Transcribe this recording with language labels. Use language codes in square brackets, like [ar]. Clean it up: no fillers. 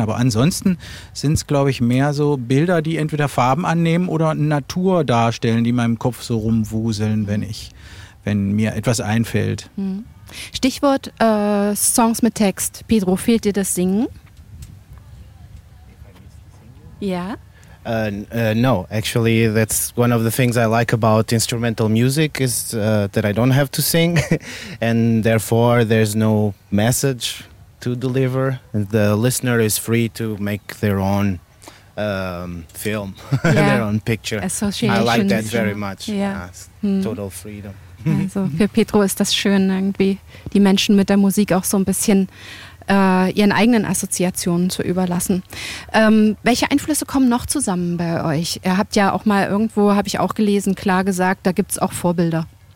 [de] Aber ansonsten sind es, glaube ich, mehr so Bilder, die entweder Farben annehmen oder Natur darstellen, die meinem Kopf so rumwuseln, wenn mir etwas einfällt. Mhm. Stichwort Songs mit Text. Pedro, fehlt dir das Singen? Ja? [en] No, actually, that's one of the things I like about instrumental music, is that I don't have to sing. And therefore, there's no message to deliver. And the listener is free to make their own film, their own picture. Association. I like that very much. Total freedom. [de] Also für Pedro ist das schön, irgendwie die Menschen mit der Musik auch so ein bisschen ihren eigenen Assoziationen zu überlassen. Welche Einflüsse kommen noch zusammen bei euch? Ihr habt ja auch mal irgendwo, habe ich auch gelesen, klar gesagt, da gibt es auch Vorbilder.